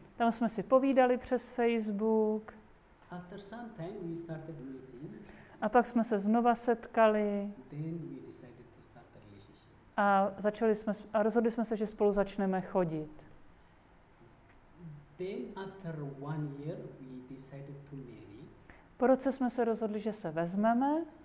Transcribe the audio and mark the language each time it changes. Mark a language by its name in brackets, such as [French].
[Czech] Tam jsme si povídali přes Facebook. [English] After some time we started meeting. [Czech] A pak jsme se znova setkali. [English] Then we decided to start a relationship. [Czech] A začali jsme a rozhodli jsme se, že spolu začneme chodit. [English] Then after one year we decided to marry. [Czech] Po roce jsme se rozhodli, že se vezmeme.